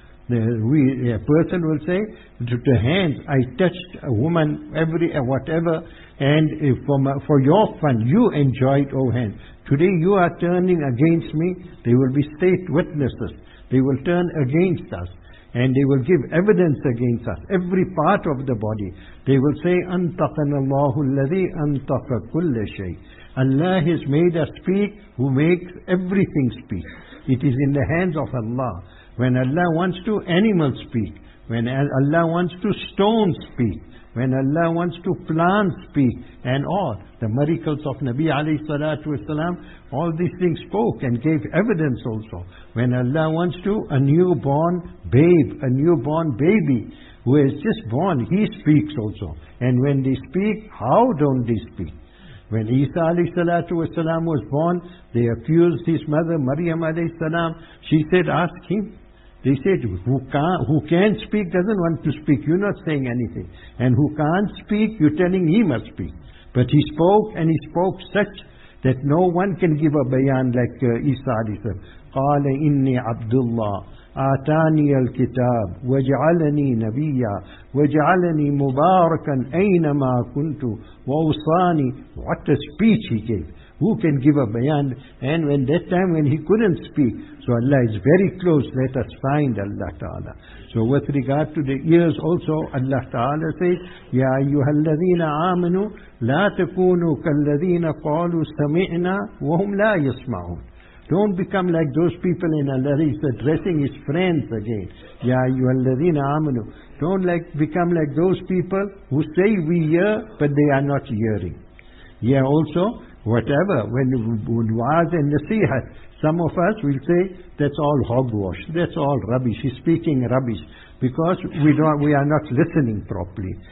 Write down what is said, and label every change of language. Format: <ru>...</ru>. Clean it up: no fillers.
<en>A person will say, the hands, I touched a woman, whatever, and for your fun, you enjoyed, O hand. Today you are turning against me. They will be state witnesses. They will turn against us and they will give evidence against us. Every part of the body. They will say,</en> <ar>أَنْتَقَنَ اللَّهُ الَّذِي أَنْتَقَ كُلَّ شَيْءٍ.</ar> <en>Allah has made us speak, who makes everything speak. It is in the hands of Allah. When Allah wants to, animals speak. When Allah wants to, stones speak. When Allah wants to, plants speak. And all the miracles of Nabi alayhi salatu wasalam, all these things spoke and gave evidence also. When Allah wants to, a newborn baby who is just born, he speaks also. And when they speak, how don't they speak? When Isa alayhi salatu wasalam was born, they accused his mother, Maryam alayhi salam. She said, ask him. They said, who can't speak doesn't want to speak. You're not saying anything. And who can't speak, you're telling he must speak. But he spoke, and he spoke such that no one can give a bayan like Isa alayhi salam.</en> <ar>قَالَ إِنِّي عَبْدُ اللَّهِ. آتاني الكتاب وجعلني نبيا وجعلني مباركا أينما كنت وأوصاني.</ar> <en>What a speech he gave. Who can give a bayan? And when that time when he couldn't speak, so Allah is very close. Let us find Allah Ta'ala. So with regard to the ears also, Allah Ta'ala says,</en> <ar>يَا أَيُّهَا الَّذِينَ آمَنُوا لَا تَكُونُوا كَالَّذِينَ قَالُوا سَمِعْنَا وَهُمْ لَا يَسْمَعُونَ.</ar> <en>Don't become like those people in Allah. He's addressing his friends again.</en> <ar>يَا أَيُّهَا الَّذِينَ آمَنُوا.</ar> <en>Don't become like those people who say we hear, but they are not hearing. Yeah, also, whatever, when waaz and nasihat, some of us will say, that's all hogwash, that's all rubbish, he's speaking rubbish, because we are not listening properly.</en>